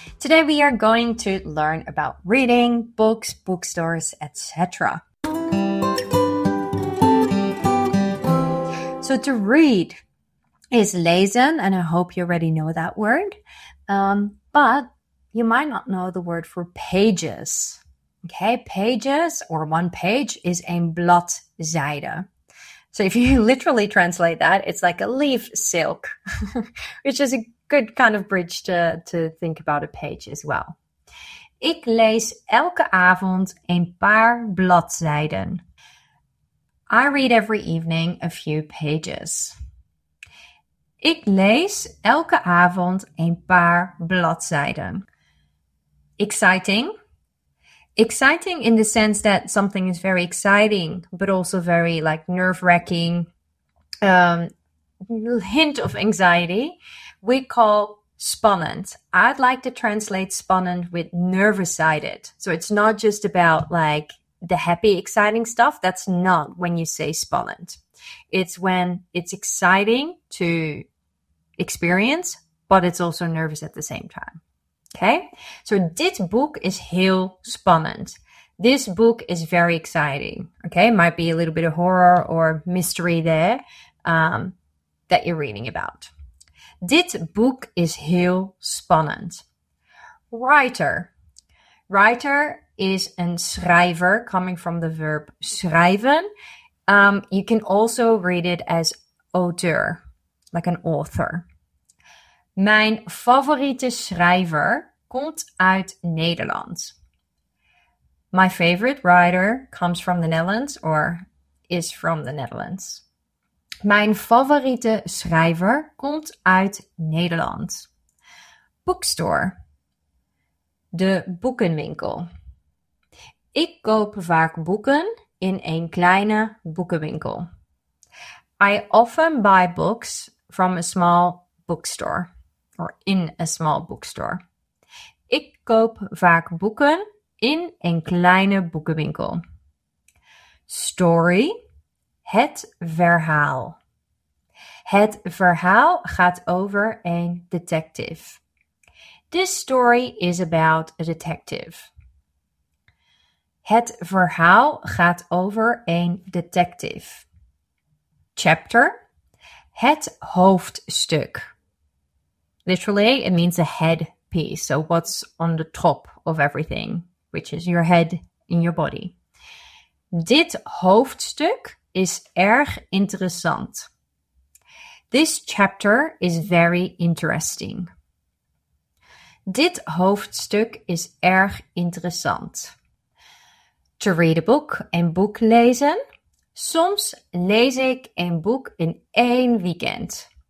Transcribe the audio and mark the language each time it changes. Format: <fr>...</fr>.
<en>Today we are going to learn about reading, books, bookstores, etc. So to read is lezen, and I hope you already know that word, but you might not know the word for pages, okay? Pages, or one page, is een bladzijde. So if you literally translate that, it's like a leaf silk, which is a good kind of bridge to think about a page as well.</en> <nl>Ik lees elke avond een paar bladzijden.</nl> <en>I read every evening a few pages.</en> <nl>Ik lees elke avond een paar bladzijden.</nl> <en>Exciting. Exciting in the sense that something is very exciting, but also very like nerve-wracking, hint of anxiety. We call spannend. I'd like to translate spannend with nervous-sided. So it's not just about like the happy, exciting stuff. That's not when you say spannend. It's when it's exciting to experience, but it's also nervous at the same time. Okay? So</en> <nl>dit boek is heel spannend.</nl> <en>This book is very exciting. Okay? Might be a little bit of horror or mystery there that you're reading about.</en> <nl>Dit boek is heel spannend. Writer.</nl> <en>Writer is een schrijver, coming from the verb schrijven. You can also read it as auteur, like an author.</en> <nl>Mijn favoriete schrijver komt uit Nederland.</nl> <en>My favorite writer comes from the Netherlands or is from the Netherlands.</en> <nl>Mijn favoriete schrijver komt uit Nederland. Bookstore. De boekenwinkel. Ik koop vaak boeken in een kleine boekenwinkel.</nl> <en>I often buy books from a small bookstore. Or in a small bookstore.</en> <nl>Ik koop vaak boeken in een kleine boekenwinkel. Story. Het verhaal. Het verhaal gaat over een detective.</nl> <en>This story is about a detective.</en> <nl>Het verhaal gaat over een detective. Chapter. Het hoofdstuk.</nl> <en>Literally, it means a head piece. So what's on the top of everything, which is your head in your body.</en> <nl>Dit hoofdstuk is erg interessant.</nl> <en>This chapter is very interesting.</en> <nl>Dit hoofdstuk is erg interessant.</nl> <en>To read a book,</en> <nl>een boek lezen. Soms lees ik een boek in één weekend.</nl>